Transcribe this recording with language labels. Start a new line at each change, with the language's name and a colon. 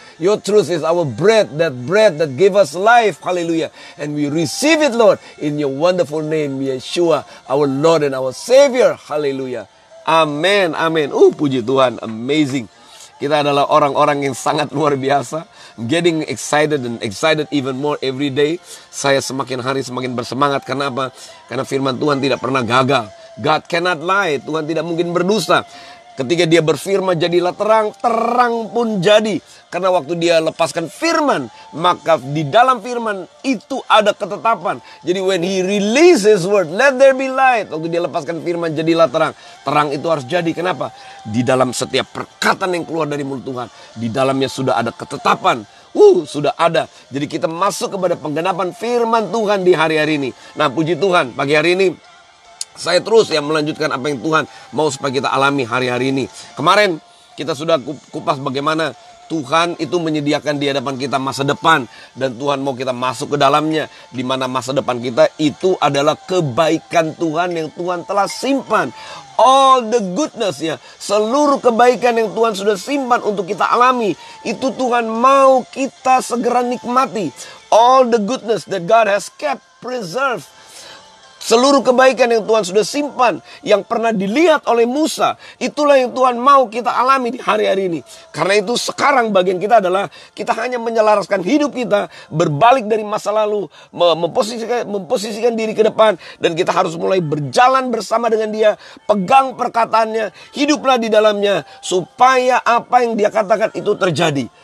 English: Your truth is our bread that gave us life. Hallelujah. And we receive it, Lord, in your wonderful name, Yeshua, our Lord and our Savior.
Indonesian: Hallelujah. Amen, amen. Puji Tuhan, amazing. Kita adalah orang-orang yang sangat luar biasa.
English: I'm getting excited and excited even more every day.
Indonesian: Saya semakin hari semakin bersemangat. Kenapa? Karena firman Tuhan tidak pernah gagal.
English: God cannot lie.
Indonesian: Tuhan tidak mungkin berdusta. Ketika Dia berfirman, jadilah terang, terang pun jadi. Karena waktu Dia lepaskan firman, maka di dalam firman itu ada ketetapan.
English: Jadi when He releases word, let there be light.
Indonesian: Waktu Dia lepaskan firman, jadilah terang. Terang itu harus jadi. Kenapa? Di dalam setiap perkataan yang keluar dari mulut Tuhan, di dalamnya sudah ada ketetapan. Sudah ada. Jadi kita masuk kepada penggenapan firman Tuhan di hari-hari ini. Nah, puji Tuhan, pagi hari ini saya terus yang melanjutkan apa yang Tuhan mau supaya kita alami hari-hari ini. Kemarin kita sudah kupas bagaimana Tuhan itu menyediakan di hadapan kita masa depan, dan Tuhan mau kita masuk ke dalamnya, di mana masa depan kita itu adalah kebaikan Tuhan yang Tuhan telah simpan.
English: All the goodness,
Indonesian: ya, seluruh kebaikan yang Tuhan sudah simpan untuk kita alami, itu Tuhan mau kita segera nikmati.
English: All the goodness that God has kept preserved.
Indonesian: Seluruh kebaikan yang Tuhan sudah simpan, yang pernah dilihat oleh Musa, itulah yang Tuhan mau kita alami di hari-hari ini. Karena itu sekarang bagian kita adalah, kita hanya menyelaraskan hidup kita, berbalik dari masa lalu, memposisikan diri ke depan, dan kita harus mulai berjalan bersama dengan Dia, pegang perkataannya, hiduplah di dalamnya, supaya apa yang Dia katakan itu terjadi.